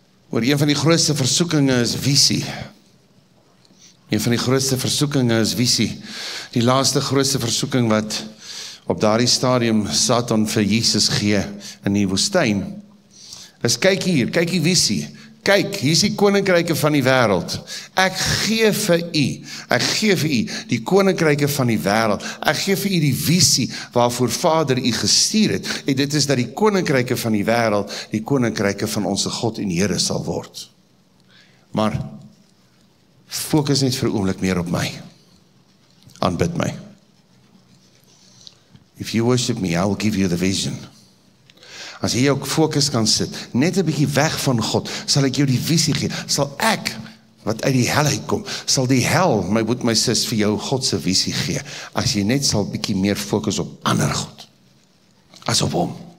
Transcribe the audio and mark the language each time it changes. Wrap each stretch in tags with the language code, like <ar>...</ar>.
<af>Oor een van die grootste versoekinge is visie. Een van die grootste versoekinge is visie. Die laaste grootste versoeking wat op daardie stadium Satan vir Jesus gee in die woestyn is kyk hier, kyk die visie. Kyk, hier is die koninkryke van die wêreld. Ek gee vir u die koninkryke van die wêreld. Ek gee vir u die visie waarvoor Vader u gestuur het. En dit is dat die koninkryke van die wêreld die koninkryke van onsse God en Here sal word. Maar fokus net vir oomblik meer op my. Aanbid my.</af> <en>If you worship me, I will give you the vision.</en> <af>As jy jou fokus kan sit, net 'n bietjie weg van God, sal ek jou die visie gee, sal ek, wat uit die hel uitkom, sal die hel, my broer, my sis, vir jou God se visie gee, as jy net sal bietjie meer fokus op ander God, as op hom.</af>